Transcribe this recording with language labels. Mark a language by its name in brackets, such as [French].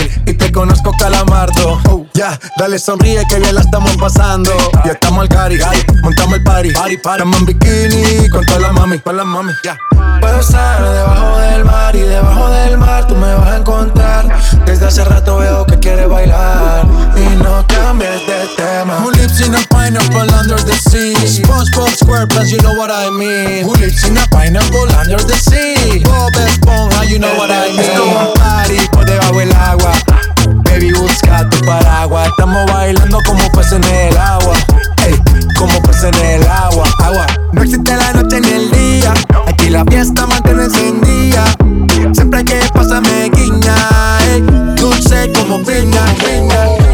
[Spanish] Yeah. Y te conozco, calamardo. Ya, yeah. Dale, sonríe que bien la estamos pasando. Ya estamos al cari, montamos el party. Estamos en bikini con toda la mami, con la mami, ya. Yeah. Puedo estar debajo del mar y debajo del mar tú me vas a encontrar. Desde hace rato veo que quieres bailar y no cambies de tema. [English] Who lives in a pineapple under the sea? SpongeBob SquarePants, you know what I mean. Who lives in a pineapple under the sea? Bob Esponja, you know what I mean. [Spanish] Esto es un party por debajo del agua. Baby, busca tu paraguas. Estamos bailando como peces en el agua. Ey, como peces en el agua, agua. No existe la noche ni el día. Aquí la fiesta mantiene encendida. Siempre hay que pasarme guiña. Ey, dulce como piña, piña.